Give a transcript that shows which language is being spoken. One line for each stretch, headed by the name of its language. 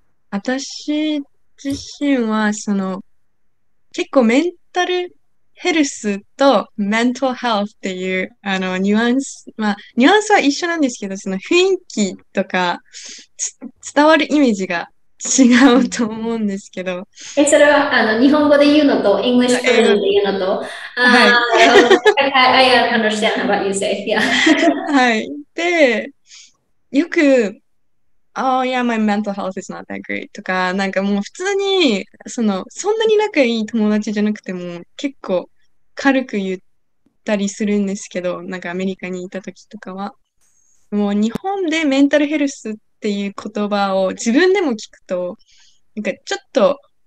Japanese: 私自身はその結構メンタルヘルスとメンタルヘルスっていうニュアンス、まあ、ニュアンスは一緒なんですけど、その雰囲気とか伝わるイメージが違うと思うんですけど。え、それは、日本語で言うのと、英語で言うのと、はい。
English: I understand what you say. Yeah.
Japanese: はい。で、よく、
English: Oh, yeah, my mental health is not that great.
Japanese: とか、なんかもう普通に、そんなに仲いい友達じゃなくても、結構軽く言ったりするんですけど、なんかアメリカにいた時とかは。もう日本でメンタルヘルスっていう言葉を自分でも聞くと、なんかちょっと